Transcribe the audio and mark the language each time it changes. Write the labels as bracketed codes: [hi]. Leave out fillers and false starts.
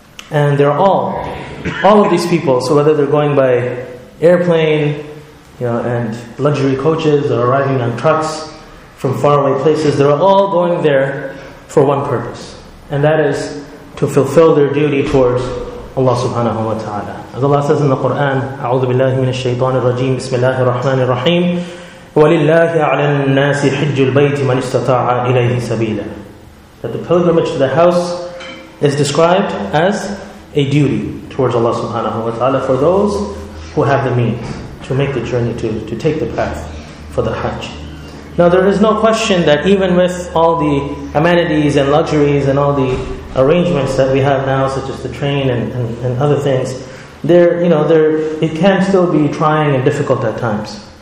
[en] And they're all of these people, so whether they're going by airplane, you know, and luxury coaches or arriving on trucks from faraway places, they're all going there for one purpose. And that is to fulfill their duty towards Allah subhanahu wa ta'ala. As Allah says in the Quran, [ar] أعوذ بالله من الشيطان الرجيم بسم الله الرحمن الرحيم ولله على الناس حج البيت من استطاع إليه سبيلا. [en] That the pilgrimage to the house is described as a duty towards Allah subhanahu wa ta'ala for those who have the means to make the journey, to take the path for the Hajj. Now there is no question that even with all the amenities and luxuries and all the arrangements that we have now, such as the train and other things, it can still be trying and difficult at times.